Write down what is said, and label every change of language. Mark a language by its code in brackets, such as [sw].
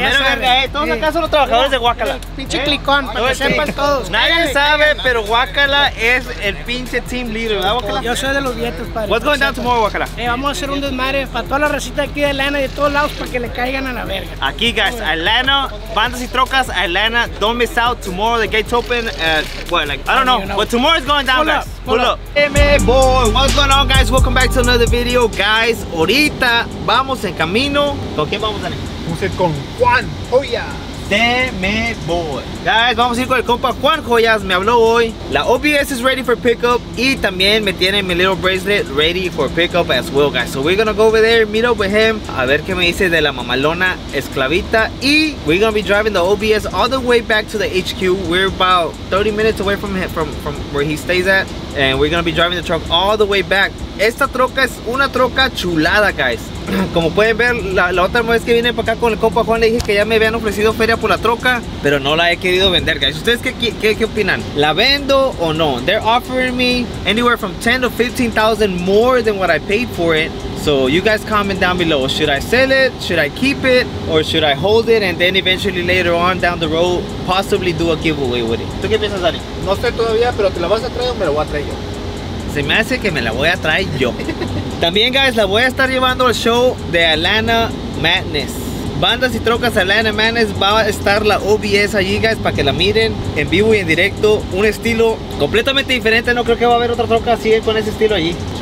[es] La mera verga, todos acá son los trabajadores de Guacala. Pinche clicón, para que sepan todos. Nadie sabe, pero Guacala es el pinche team leader, ¿verdad, Guacala? Yo soy de los dietos, padre. [en] What's going down tomorrow, Guacala? [es] Vamos a hacer un desmadre para toda la racita aquí de Atlanta y de todos lados para que le caigan a la verga. Aquí, guys, Atlanta, bandas y trocas, Atlanta, [en] don't miss out. Tomorrow, the gates open at, but tomorrow's going down, guys. What's going on, guys? Welcome back to another video, guys. [es] Ahorita vamos en camino. ¿Con quién vamos, Dani? Vamos a ir con Juan Joya. Deme boy. Guys, vamos a ir con el compa Juan Joyas. Me habló hoy. [en] La OBS is ready for pickup. [es] Y también me tiene mi [en] little bracelet ready for pickup as well, guys. So we're gonna go over there, meet up with him. [es] A ver qué me dice de la mamalona esclavita. [en] Y we're gonna be driving the OBS all the way back to the HQ. We're about 30 minutes away from where he stays at. And we're gonna be driving the truck all the way back. [es] Esta troca es una troca chulada, guys. Como pueden ver, la otra vez que vine para acá con el compa Juan, le dije que ya me habían ofrecido feria por la troca, pero no la he querido vender, guys. ¿Ustedes qué opinan? ¿La vendo o no? [en] They're offering me anywhere from 10 to 15,000 more than what I paid for it. So you guys comment down below. Should I sell it? Should I keep it? Or should I hold it and then eventually later on down the road possibly do a giveaway with it? [es] ¿Tú qué piensas, Dani? No sé todavía, pero ¿te la vas a traer o me la voy a traer yo? Se me hace que me la voy a traer yo. También, guys, la voy a estar llevando al show de Atlanta Madness. Bandas y trocas Atlanta Madness. Va a estar la OBS allí, guys, para que la miren en vivo y en directo. Un estilo completamente diferente. No creo que va a haber otra troca así con ese estilo allí.